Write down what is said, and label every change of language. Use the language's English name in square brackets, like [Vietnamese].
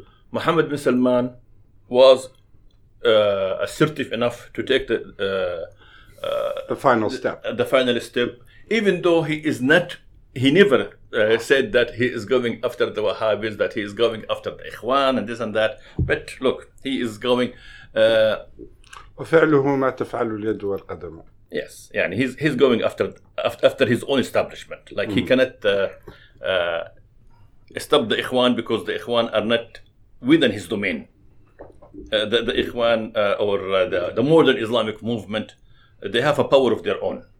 [English] Mohammed bin Salman was assertive enough to take the final step. Even though he never said that he is going after the Wahhabis, that he is going after the Ikhwan and this and that. But look, he is going. [Arabic] وفعله ما تفعله اليد والقدم. [English] Yes, yeah, and he's going after his own establishment. Like, he cannot stop the Ikhwan because the Ikhwan are not within his domain. The Ikhwan or the modern Islamic movement, they have a power of their own.